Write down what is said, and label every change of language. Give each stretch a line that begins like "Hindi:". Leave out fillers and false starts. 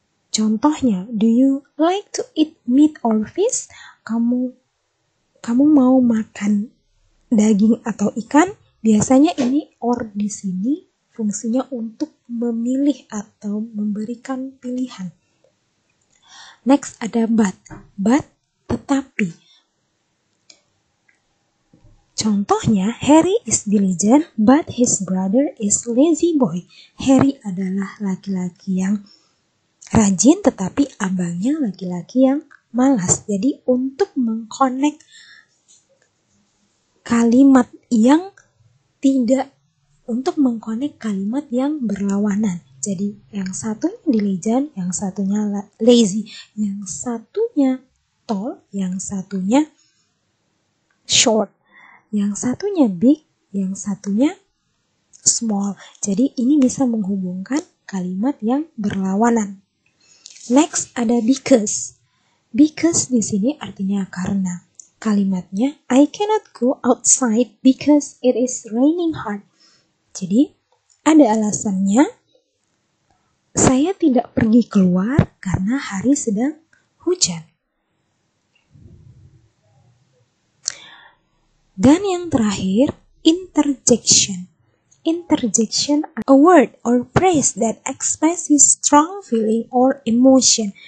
English: Contohnya, do you like to eat meat or fish?
Indonesian: Kamu mau makan daging atau ikan? Biasanya ini or di sini fungsinya untuk memilih atau memberikan pilihan. Next ada but, tetapi.
English: Contohnya, Harry is diligent, but his brother is lazy boy.
Indonesian: Harry adalah laki-laki yang rajin, tetapi abangnya laki-laki yang malas. Jadi, untuk mengkonek kalimat yang tidak, untuk mengkonek kalimat yang berlawanan. Jadi yang satunya diligent, yang satunya lazy, yang satunya tall, yang satunya short, yang satunya big, yang satunya small. Jadi ini bisa menghubungkan kalimat yang berlawanan. Next ada because. Because di sini artinya karena.
English: Kalimatnya, I cannot go outside because it is raining hard.
Indonesian: Jadi ada alasannya. Saya tidak pergi keluar karena hari sedang hujan. Dan yang terakhir,
English: interjection. Interjection, a word or phrase that expresses strong feeling or emotion.